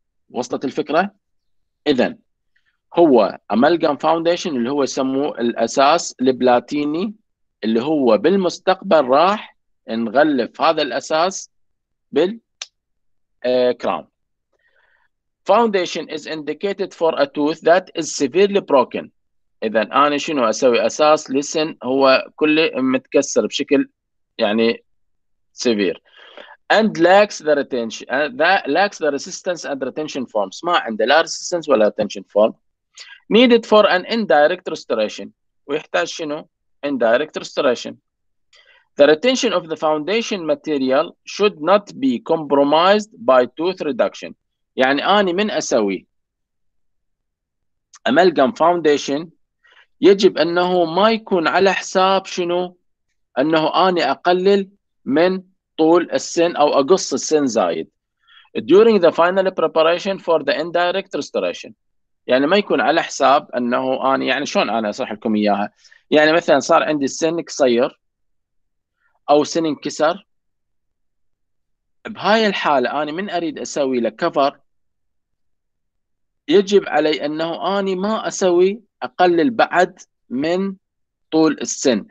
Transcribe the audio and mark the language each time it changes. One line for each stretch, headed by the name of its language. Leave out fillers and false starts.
Arabic: وصلت الفكرة؟ إذن هو أمالجام فاونديشن اللي هو يسموه الأساس البلاتيني اللي هو بالمستقبل راح نغلف هذا الأساس بالكراون.
English: Foundation is indicated for a tooth that is severely broken.
Arabic: اذا انا شنو اسوي؟ اساس لسن هو كله متكسر بشكل يعني سيفير.
English: And lacks the retention, lacks the resistance and retention forms.
Arabic: ما عنده لا
English: resistance ولا retention form. Needed for an indirect restoration.
Arabic: ويحتاج شنو؟
English: indirect restoration. The retention of the foundation material should not be compromised by tooth reduction.
Arabic: يعني انا من اسوي amalgam foundation يجب انه ما يكون على حساب شنو؟ انه اني اقلل من طول السن او اقص السن زايد.
English: During the final preparation for the indirect restoration.
Arabic: يعني ما يكون على حساب انه اني، يعني شلون انا اشرح لكم اياها؟ يعني مثلا صار عندي السن قصير او سن انكسر، بهاي الحاله اني من اريد اسوي له كفر يجب علي انه اني ما اسوي اقلل بعد من طول السن.